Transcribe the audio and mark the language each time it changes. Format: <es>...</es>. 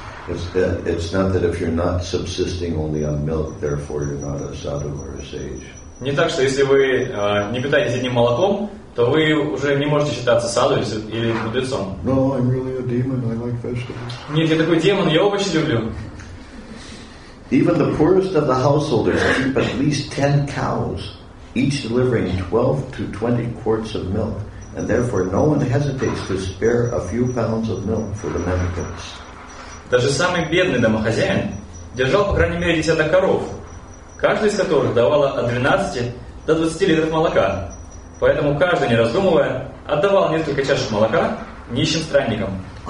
<en>It's not that if you're not subsisting only on milk, therefore you're not a sadhu or a sage.</en> <ru>Не так, что если вы не питаетесь одним молоком, то вы уже не можете считаться саду или мудрецом.</ru> <en>No, I'm really a demon. I like vegetables.</en> <ru>Нет, я такой демон, я овощи люблю.</ru> <en>Even the poorest of the householders keep at least 10 cows, each delivering 12 to 20 quarts of milk, and therefore no one hesitates to spare a few pounds of milk for the mendicants.</en> <ru>Даже самый бедный домохозяин держал по крайней мере 10 коров, каждая из которых давала от 12 до 20 литров молока. Поэтому каждый, не раздумывая, отдавал несколько чашек молока нищим странникам.</ru>